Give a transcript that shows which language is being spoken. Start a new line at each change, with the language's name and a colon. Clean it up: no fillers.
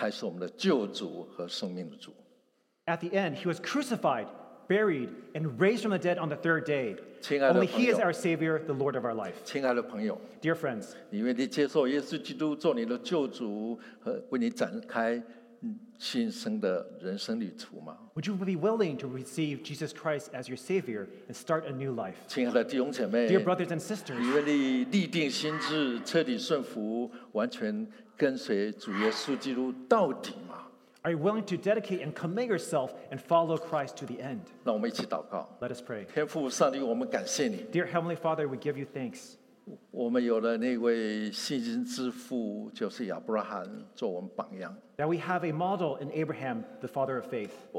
Chinese: 最后挂在十字架上，被钉死、埋葬，第三天复活。唯有他才是我们的救主和生命的主。
English: At the end, he was crucified, buried, and raised from the dead on the third day. Only he is our Savior, the Lord of our life.
Chinese: 亲爱的朋友,
English: Dear friends,
Chinese: 你愿意接受耶稣基督做你的救主和为你展开新生的人生旅途吗？
English: Would you be willing to receive Jesus Christ as your Savior and start a new life?
Chinese: 亲爱的弟兄姐妹,
English: Dear brothers and sisters,
Chinese: 你愿意立定心志，彻底顺服，完全跟随主耶稣基督到底吗？
English: Are you willing to dedicate and commit yourself and follow Christ to the end?
Chinese: 让我们一起祷告。
English: Let us pray.
Chinese: 天父上帝, 我们感谢你。
English: Dear Heavenly Father, we give you thanks.
Chinese: 我们有了那位信心之父, 就是亚伯拉罕, 做我们榜样。
English: That we have a model in Abraham, the father of faith.